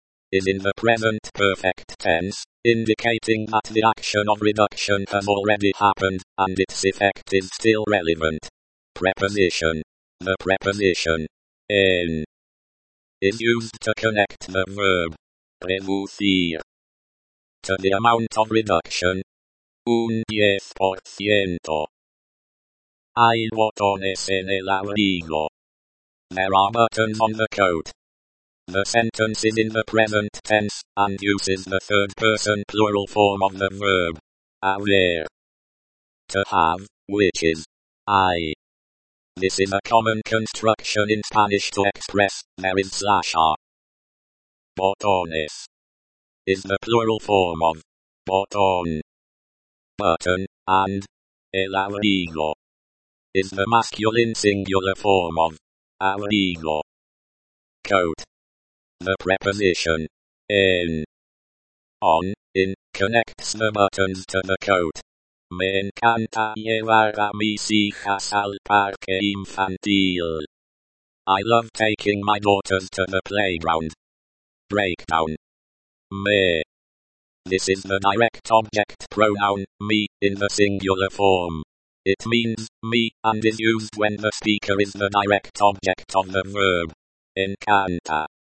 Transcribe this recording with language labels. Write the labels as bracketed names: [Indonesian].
[English] Is in the present perfect tense, indicating that the action of reduction has already happened, and its effect is still relevant. Preposition. The preposition. En. Is used to connect the verb. Reducir. To the amount of reduction. Un 10%. [Spanish] Hay botones en el abrigo. [English] There are buttons on the coat. The sentence is in the present tense, and uses the third person plural form of the verb. Haber. To have, which is. I. This is a common construction in Spanish to express, there is slash a. Botones. Is the plural form of. Botón. Button, and. El abrigo. Is the masculine singular form of. Abrigo. Coat. The preposition, en, on, in, connects the buttons to the coat. [Spanish] Me encanta llevar a mis hijas al parque infantil. [English] I love taking my daughters to the playground. Breakdown. Me. This is the direct object pronoun, me, in the singular form. It means, me, and is used when the speaker is the direct object of the verb. Encanta.